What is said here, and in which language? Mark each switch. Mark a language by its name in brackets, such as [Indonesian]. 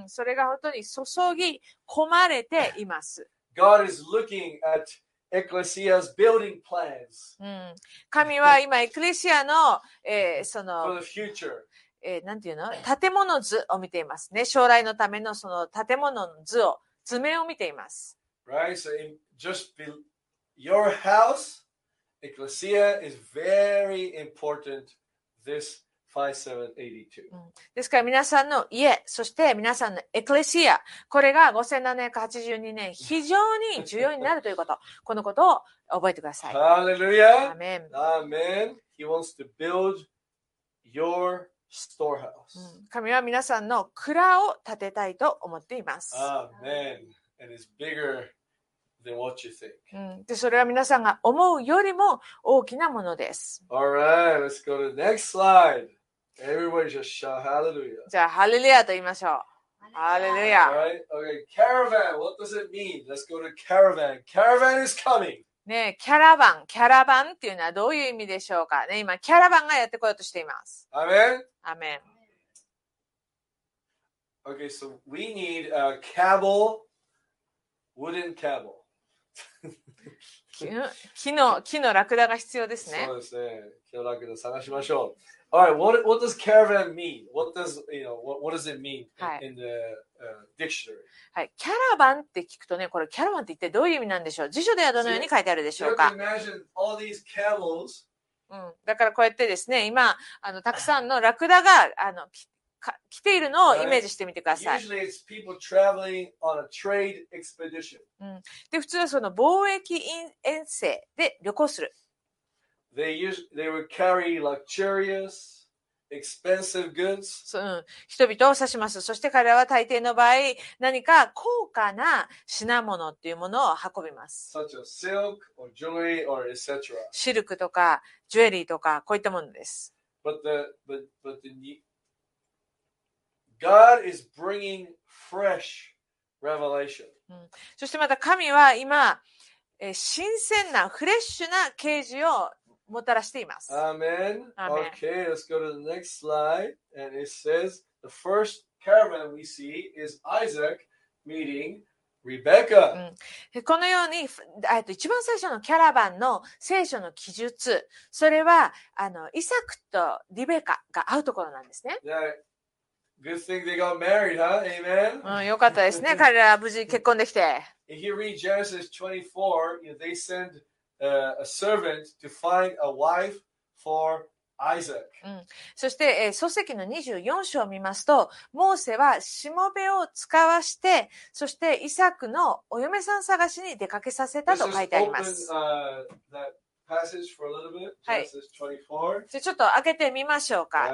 [Japanese] うん、それが本当に注ぎ込まれています。 [English] God is looking at Ecclesia's building plans. [Japanese] 神は今、エクレシアの、その、 [English] for the future. [Japanese] なんていうの建物図を見ていますね。将来のためのその建物の図を、図面を見ています。 [English] Right, so in just your house, Ecclesia is very important this 5782. [Japanese] ですから皆さんの家、そして皆さんのエクレシア、これが5782年、非常に重要になるということ、このことを覚えてください。 [English] Hallelujah! Amen. Amen. He wants to build yourstorehouse. [Japanese] 神は皆さんの蔵を建てたいと思っています。 [English] Amen. And it's bigger than what you think. [Japanese] で、それは皆さんが思うよりも大きなものです。 [English] All right, let's go to the next slide. Everybody just shout hallelujah. [Japanese] じゃあ、ハレルヤと言いましょう。ハレルヤ。 [English] All right, okay, caravan, what does it mean? Let's go to caravan. Caravan is coming. [Japanese] ね、キャラバン、キャラバンっていうのはどういう意味でしょうかね。今、キャラバンがやってこようとしています。アメン。アメン。 [English] Okay, so we need a cable, wooden cable. [Japanese] 木のラクダが必要ですね。そうですね。木のラクダ探しましょう。 [English] Alright, what does caravan mean? What does, you know, what does it mean in the、dictionary? [Japanese] はい、キャラバンって聞くとね、これキャラバンって一体どういう意味なんでしょう。辞書ではどのように書いてあるでしょうか。だからこうやってですね、今あのたくさんのラクダがあの来ているのをイメージしてみてください。 [English] Usually it's people traveling on a trade expedition. [Japanese] で普通はその貿易遠征で旅行する。 [English] They would carry luxurious. Expensive goods. [Japanese] そう、人々を指します。そして彼らは大抵の場合、何か高価な品物っていうものを運びます。 [English] Such as silk or jewelry or etc. [Japanese] シルクとかジュエリーとかこういったものです。 [English] But the God is bringing fresh revelation. [Japanese] そしてまた神は今、新鮮なフレッシュな啓示をもたらしています。 [English] Amen. Okay, let's go to the next slide. And it says the first caravan we see is Isaac meeting Rebecca.、 [Japanese] うん、このように一番最初のキャラバンの聖書の記述、それはあのイサクとリベカが会うところなんですね。 [English] Yeah. Good thing they got married, huh? Amen. [Japanese] うん、よかったですね。彼ら無事結婚できて。 [English] If you read Genesis 24, you know, they sendA servant to find a wife for Isaac. [Japanese] そして、創世記の24章を見ますと、モーセはしもべを使わして、そしてイサクのお嫁さん探しに出かけさせたと書いてあります。はい。ちょっと開けてみましょうか。